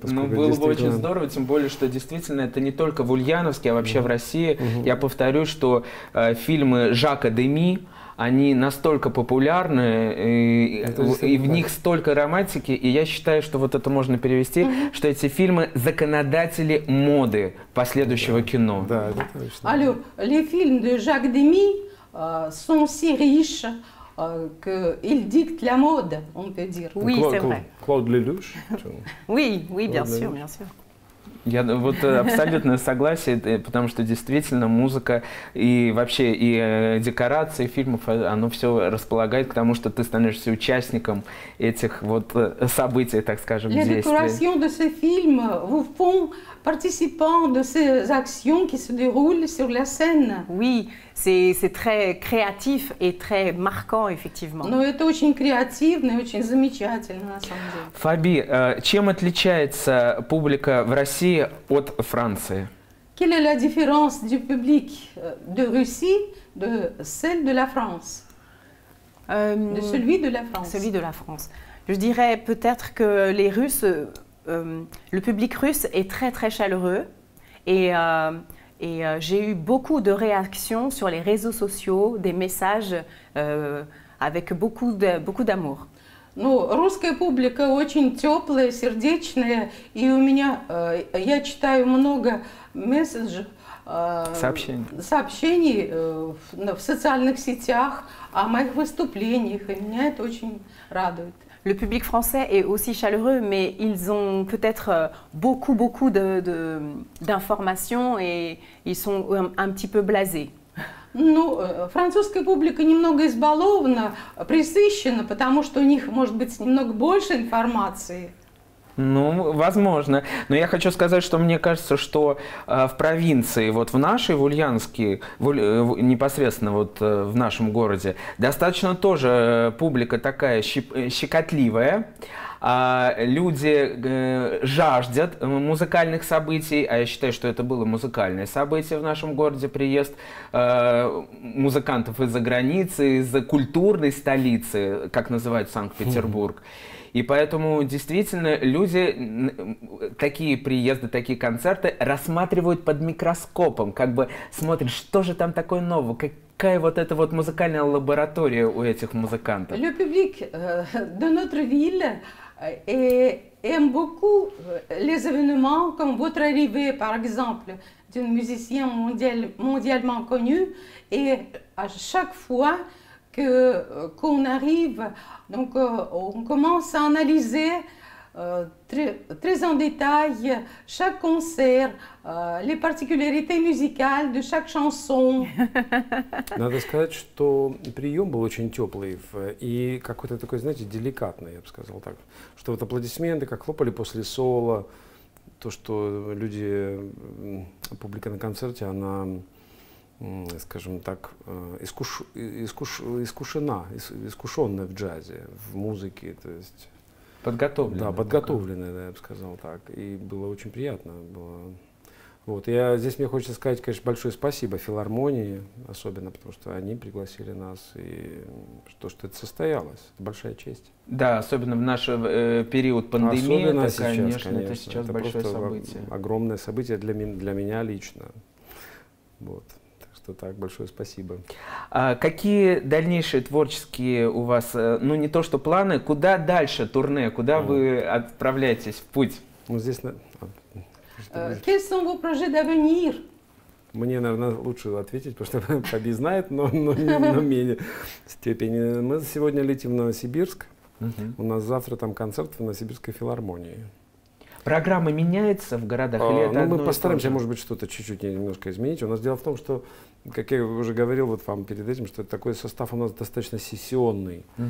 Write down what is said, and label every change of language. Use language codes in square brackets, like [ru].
[ru] Ну, было бы очень здорово, тем более, что действительно это не только в Ульяновске, а вообще в России. Я повторю, что фильмы Жака Деми, они настолько популярны, и в них столько романтики, и я считаю, что вот это можно перевести, что эти фильмы – законодатели моды последующего кино. Да, это точно. [fr] Алло, les films de Jacques Demy sont si riches qu'ils dictent la mode, on peut dire. Oui, c'est vrai. Claude Lelouch? Oui, oui, bien sûr, bien sûr. [ru] Я вот абсолютно согласен, потому что действительно музыка и вообще и декорации фильмов, оно все располагает к тому, что ты становишься участником этих вот событий, так скажем, действий. [fr] Les décorations de ces films vous font participants de ces actions qui se déroulent sur la scène. Oui, c'est très créatif et très marquant, effectivement. [ru] Но это очень креативно и очень замечательно, на самом деле. Фаби, чем отличается публика в России от Франции? [fr] Quelle est la différence du public de Russie de celle de la France? De celui de la France. Celui de la France. Je dirais peut-être que les Russes... le public russe est très très chaleureux et j'ai eu beaucoup de réactions sur les réseaux sociaux, des messages avec beaucoup d'amour. [ru] Ну, русская публика очень теплая, сердечная, и у меня я читаю много сообщений в социальных сетях о моих выступлениях, и меня это очень радует. [fr] Le public français est aussi chaleureux, mais ils ont peut-être beaucoup, beaucoup d'informations et ils sont un petit peu blasés. [ru] Ну, французская публика немного избалована, пресыщена, потому что у них может быть немного больше информации. Ну, возможно. Но я хочу сказать, что мне кажется, что в провинции, вот в нашей, в Ульяновске, непосредственно вот в нашем городе, достаточно тоже публика такая щекотливая. Люди жаждут музыкальных событий, а я считаю, что это было музыкальное событие в нашем городе, приезд музыкантов из-за границы, из-за культурной столицы, как называют Санкт-Петербург. И поэтому действительно люди такие приезды, такие концерты рассматривают под микроскопом, как бы смотрят, что же там такое нового, какая вот эта вот музыкальная лаборатория у этих музыкантов. [fr] Le public de notre ville aime beaucoup les événements comme votre arrivée, par exemple, d'un musicien mondialement connu. Et à chaque fois qu'on arrive, donc, on commence à analyser très en détail chaque concert, les particularités musicales de chaque chanson. [ru] Надо сказать, что прием был очень теплый и какой-то такой, знаете, деликатный, я бы сказал так. Что вот аплодисменты, как хлопали после соло, то, что люди, публика на концерте, она, скажем так, искушенная в джазе, в музыке, то есть... Подготовленная, да, я бы сказал так. И было очень приятно. Было. Вот. Я, здесь мне хочется сказать, конечно, большое спасибо филармонии, особенно потому что они пригласили нас, и то, что это состоялось. Это большая честь. Да, особенно в наш период пандемии. Особенно это, сейчас, конечно. Это сейчас большое событие. Огромное событие для меня лично. Вот. Так, большое спасибо. А какие дальнейшие творческие у вас, ну не то что планы, куда дальше турне, куда вы отправляетесь в путь? Ну здесь... [fr] Quels sont vos projets d'avenir? [ru] Мне, наверное, лучше ответить, потому что Паби знает, но менее степени. Мы сегодня летим в Новосибирск, у нас завтра там концерт в Новосибирской филармонии. Программа меняется в городах? Или это мы постараемся, может быть, что-то чуть-чуть немножко изменить. У нас дело в том, что, как я уже говорил вот вам перед этим, что такой состав у нас достаточно сессионный.